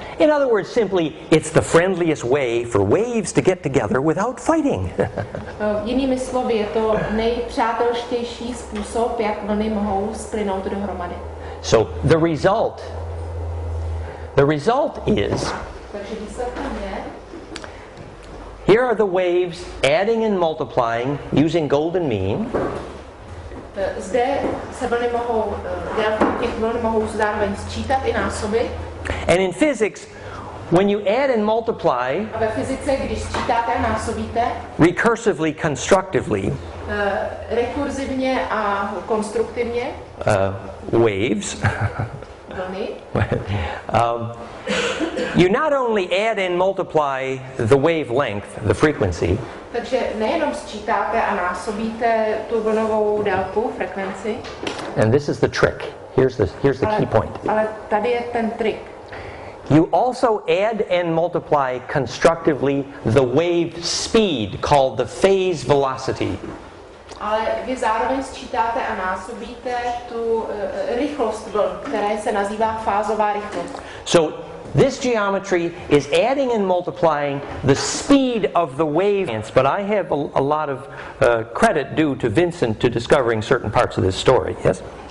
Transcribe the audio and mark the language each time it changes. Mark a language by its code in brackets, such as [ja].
[en] In other words, simply, it's the friendliest way for waves to get together without fighting. [cs] Jinými slovy, je to nejpřátelštější způsob, jak vlny mohou splynout dohromady. [en] So the result is, [cs] takže výsledkem je, [en] here are the waves adding and multiplying using golden mean. [cs] Zde se vlny mohou, těch vln mohou zároveň sčítat i násoby. [en] And in physics, when you add and multiply, [cs] a ve fyzice, když sčítáte a násobíte, [en] recursively, constructively, [cs] rekurzivně a konstruktivně, [en] waves, you not only add and multiply the wavelength, the frequency. [cs] Takže nejenom sčítáte a násobíte tu vlnovou délku, frekvenci. [en] And this is the trick. Here's the key point. [cs] Ale tady je ten trik. [en] You also add and multiply constructively the wave speed called the phase velocity. [cs] Ale vy zároveň sčítáte a násobíte tu rychlost vln, která se nazývá fázová rychlost. [en] So this geometry is adding and multiplying the speed of the wave, but I have a lot of credit due to Vincent to discovering certain parts of this story. Yes.